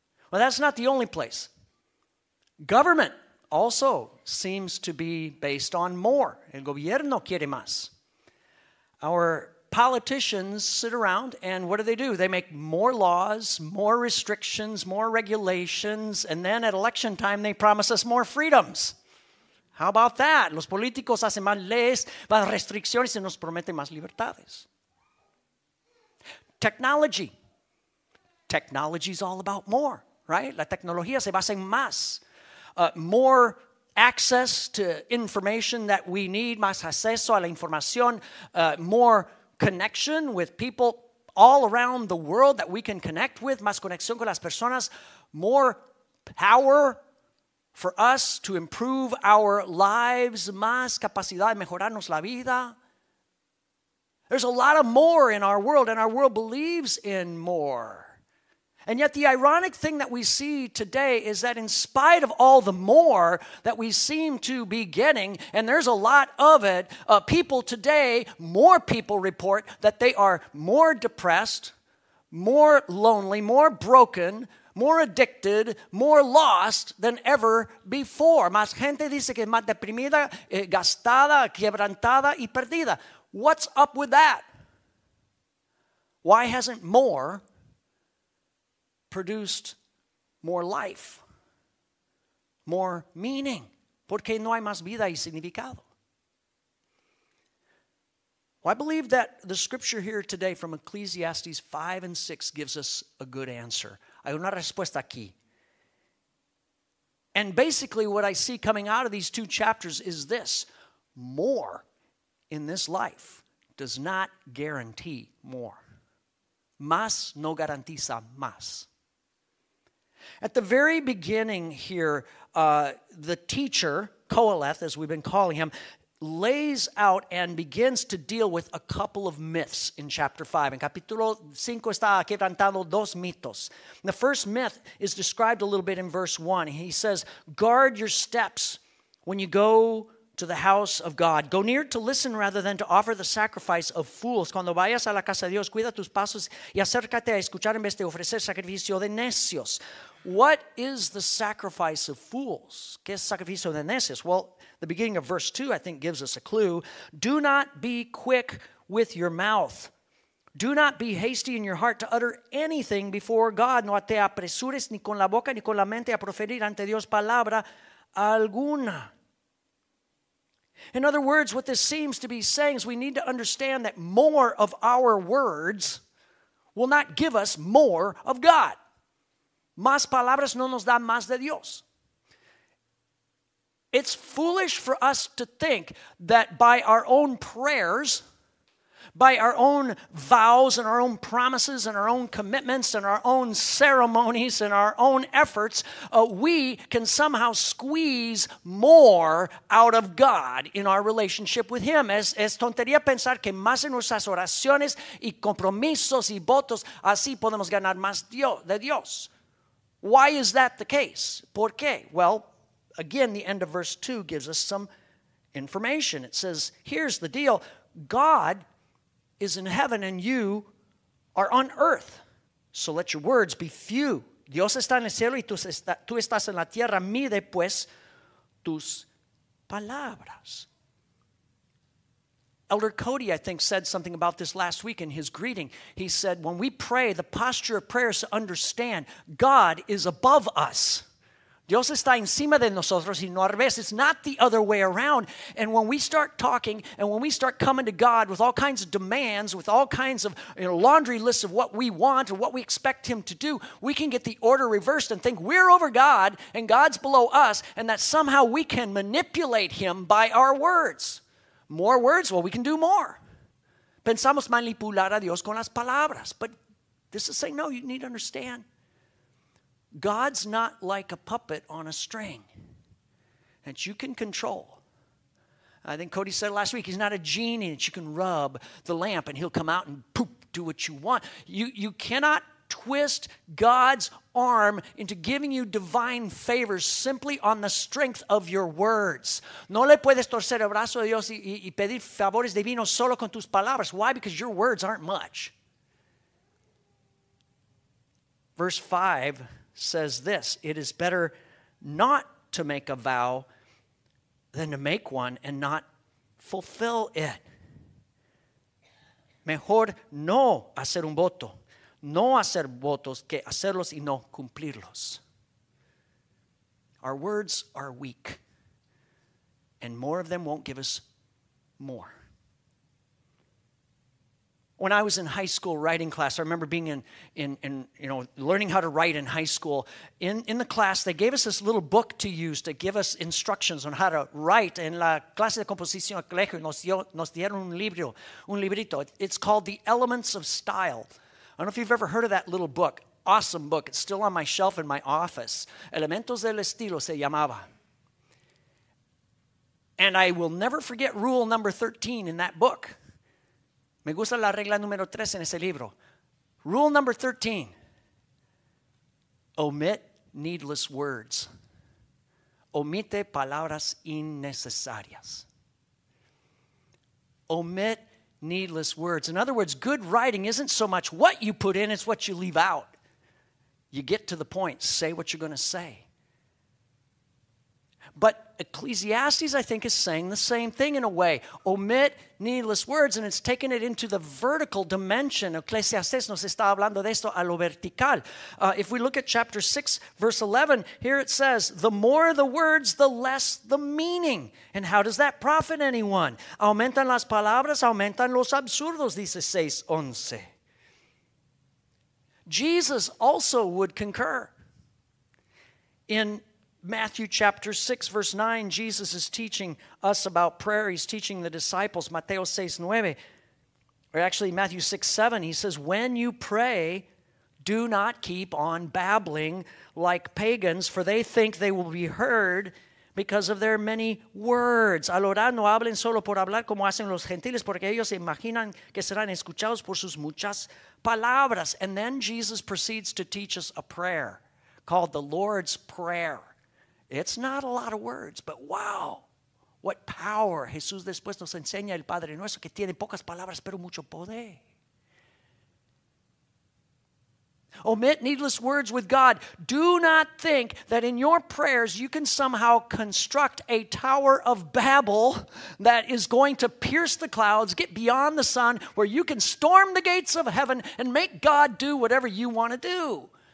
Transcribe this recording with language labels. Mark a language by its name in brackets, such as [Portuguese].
[English] Well, that's not the only place. Government also seems to be based on more. [Spanish] El gobierno quiere más. [English] Our politicians sit around, and what do? They make more laws, more restrictions, more regulations, and then at election time, they promise us more freedoms. How about that? [Spanish] Los políticos hacen más leyes, más restricciones, y nos prometen más libertades. [English] Technology. Technology is all about more, right? [Spanish] La tecnología se basa en más. [English] More access to information that we need, [Spanish] más acceso a la información, [English] more connection with people all around the world that we can connect with, [Spanish] más conexión con las personas, [English] more power for us to improve our lives, [Spanish] más capacidad de mejorarnos la vida. [English] There's a lot of more in our world, and our world believes in more. And yet the ironic thing that we see today is that in spite of all the more that we seem to be getting, and there's a lot of it, people today, more people report that they are more depressed, more lonely, more broken, more addicted, more lost than ever before. [Spanish] Más gente dice que es más deprimida, gastada, quebrantada y perdida. [English] What's up with that? Why hasn't more produced more life, more meaning? [Spanish] ¿Por qué no hay más vida y significado? [English] Well, I believe that the scripture here today from Ecclesiastes 5 and 6 gives us a good answer. [Spanish] Hay una respuesta aquí. [English] And basically what I see coming out of these two chapters is this: more in this life does not guarantee more. [Spanish] Más no garantiza más. [English] At the very beginning here, the teacher, Koheleth, as we've been calling him, lays out and begins to deal with a couple of myths in chapter 5. [Spanish] En capítulo 5 está quebrantando dos mitos. [English] The first myth is described a little bit in verse 1. He says, guard your steps when you go to the house of God. Go near to listen rather than to offer the sacrifice of fools. [Spanish] Cuando vayas a la casa de Dios, cuida tus pasos y acércate a escuchar en vez de ofrecer sacrificio de necios. [English] What is the sacrifice of fools? [Spanish] ¿Qué es sacrificio de necios? [English] Well, the beginning of verse 2, I think, gives us a clue. Do not be quick with your mouth. Do not be hasty in your heart to utter anything before God. [Spanish] No te apresures ni con la boca ni con la mente a proferir ante Dios palabra alguna. [English] In other words, what this seems to be saying is we need to understand that more of our words will not give us more of God. [Spanish] Más palabras no nos dan más de Dios. [English] It's foolish for us to think that by our own prayers, by our own vows and our own promises and our own commitments and our own ceremonies and our own efforts, we can somehow squeeze more out of God in our relationship with Him. [Spanish] Es tontería pensar que más en nuestras oraciones y compromisos y votos, así podemos ganar más de Dios. [English] Why is that the case? [Spanish] ¿Por qué? [English] Well, again, the end of verse 2 gives us some information. It says, here's the deal. God is in heaven and you are on earth. So let your words be few. [Spanish] Dios está en el cielo y tú estás en la tierra. Mide, pues, tus palabras. [English] Elder Cody, I think, said something about this last week in his greeting. He said, when we pray, the posture of prayer is to understand God is above us. [Spanish] Dios está encima de nosotros y no al revés. [English] It's not the other way around. And when we start talking and when we start coming to God with all kinds of demands, with all kinds of laundry lists of what we want or what we expect him to do, we can get the order reversed and think we're over God and God's below us and that somehow we can manipulate him by our words. More words? Well, we can do more. [Spanish] Pensamos manipular a Dios con las palabras. [English] But this is saying, no, you need to understand. God's not like a puppet on a string that you can control. I think Cody said last week, he's not a genie that you can rub the lamp and he'll come out and poop, do what you want. You cannot twist God's arm into giving you divine favors simply on the strength of your words. [Spanish] No le puedes torcer el brazo de Dios y pedir favores divinos solo con tus palabras. [English] Why? Because your words aren't much. Verse 5 says this, it is better not to make a vow than to make one and not fulfill it. [Spanish] Mejor no hacer un voto. No hacer votos que hacerlos y no cumplirlos. [English] Our words are weak, and more of them won't give us more. When I was in high school writing class, I remember being in learning how to write in high school. In the class, they gave us this little book to use to give us instructions on how to write. [Spanish] En la clase de composición nos dieron un librito. [English] It's called The Elements of Style. I don't know if you've ever heard of that little book. Awesome book. It's still on my shelf in my office. [Spanish] Elementos del Estilo se llamaba. [English] And I will never forget rule number 13 in that book. [Spanish] Me gusta la regla número 13 en ese libro. [English] Rule number 13. Omit needless words. [Spanish] Omite palabras innecesarias. [English] Omit needless words. In other words, good writing isn't so much what you put in, it's what you leave out. You get to the point, say what you're going to say. But Ecclesiastes, I think, is saying the same thing in a way. Omit needless words, and it's taking it into the vertical dimension. [Spanish] Ecclesiastes nos está hablando de esto a lo vertical. [English] If we look at chapter 6, verse 11, here it says, the more the words, the less the meaning. And how does that profit anyone? [Spanish] Aumentan las palabras, aumentan los absurdos, dice 6:11. [English] Jesus also would concur. In Matthew chapter 6, verse 9, Jesus is teaching us about prayer. He's teaching the disciples, Mateo 6, 9, or actually Matthew 6, 7. He says, when you pray, do not keep on babbling like pagans, for they think they will be heard because of their many words. [Spanish] Al orar no hablen solo por hablar como hacen los gentiles, porque ellos imaginan que serán escuchados por sus muchas palabras. [English] And then Jesus proceeds to teach us a prayer called the Lord's Prayer. It's not a lot of words, but wow, what power. [Spanish] Jesús después nos enseña el Padre Nuestro que tiene pocas palabras, pero mucho poder. [English] Omit needless words with God. Do not think that in your prayers you can somehow construct a tower of Babel that is going to pierce the clouds, get beyond the sun, where you can storm the gates of heaven and make God do whatever you want to do.